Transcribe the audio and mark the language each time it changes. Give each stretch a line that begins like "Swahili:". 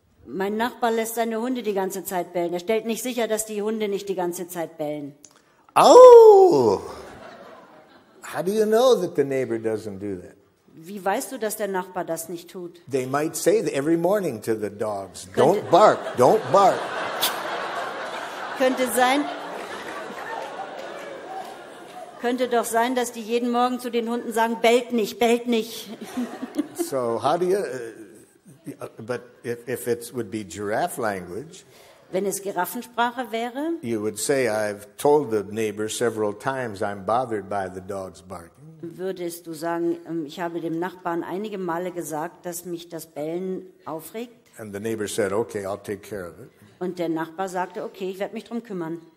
German: Mein Nachbar lässt seine Hunde die ganze Zeit bellen. Er stellt nicht sicher, dass die Hunde nicht die ganze Zeit bellen. Au!
English: How do you know that the neighbor doesn't do that?
German: Wie weißt du, dass der Nachbar das nicht tut?
English: They might say that every morning to the dogs, don't bark, don't bark.
German: Könnte doch sein, dass die jeden Morgen zu den Hunden sagen, bellt nicht, bellt nicht.
English: So how do you, but if it would be giraffe language,
German: wenn es Giraffensprache wäre,
English: you would say, I've told the neighbor several times I'm bothered by the dog's barking.
German: Würdest du sagen, ich habe dem Nachbarn einige Male gesagt, dass mich das Bellen aufregt?
English: And the neighbor said, okay, I'll take care of it.
German: Und der Nachbar sagte, okay, ich werde mich drum kümmern.